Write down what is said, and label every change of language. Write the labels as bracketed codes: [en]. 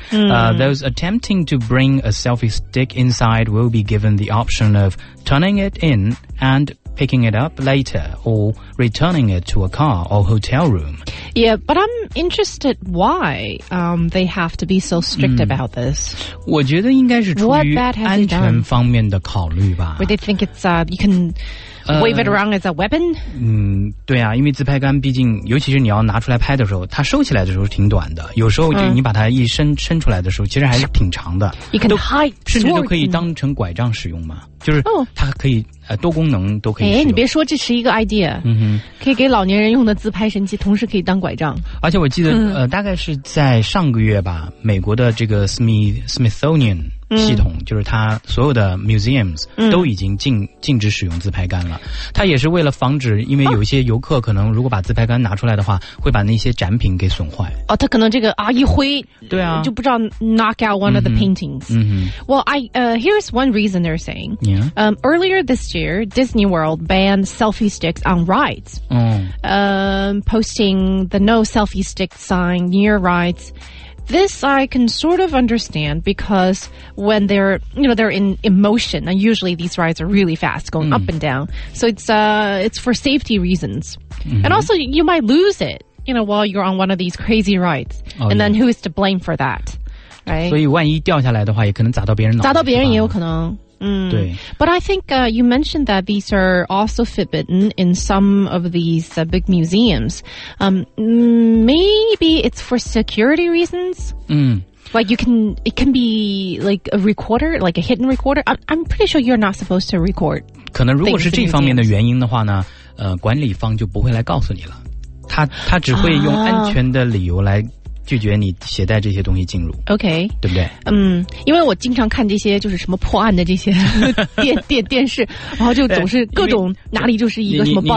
[en] Those attempting to bring a selfie stick inside will be given the option of turning it in and picking it up later or returning it to a car or hotel room. Yeah, but I'm interested why they have to be so strict about this. [zh] 我觉得应该是出于安全方面的考虑吧。 [en] Would they think it's, you can... wave it around as a weapon? [zh] 对啊，因为自拍杆毕竟尤其是你要拿出来拍的时候，它收起来的时候挺短的，有时候就你把它一伸出来的时候其实还是挺长的。 [en] You can hide [zh] 甚至都可以当成拐杖使用嘛，就是它可以多功能都可以使用。你别说，这是一个 idea。可以给老年人用的自拍神器同时可以当拐杖。而且我记得大概是在上个月吧，美国的这个 Smithsonian系统，就是它所有的 museums 都已经禁止使用自拍杆了。它也是为了防止，因为有一些游客可能如果把自拍杆拿出来的话，会把那些展品给损坏。哦，它可能这个一挥，对啊，就不知道 [en] knock out one of the paintings. Well, here's one reason they're saying. Yeah. Earlier this year, Disney World banned selfie sticks on rides. Posting the no selfie stick sign near rides. This I can sort of understand because when they're in motion, and usually these rides are really fast going up and down. So it's for safety reasons. And also you might lose it, while you're on one of these crazy rides. Then who is to blame for that? Right? [zh] 所以万一掉下来的话也可能砸到别人脑袋。砸到别人也有可能。对。 [en] But I think you mentioned that these are also forbidden in some of these big museums. Maybe it's for security reasons. Like you can, it can be like a recorder, like a hidden recorder. I'm pretty sure you're not supposed to record. [zh] 可能如果是这方面的原因的话呢，管理方就不会来告诉你了。他只会用安全的理由来拒绝你携带这些东西进入。 OK，对不对？嗯，因为我经常看这些就是什么破案的这些电视，然后就总是各种哪里就是一个什么爆。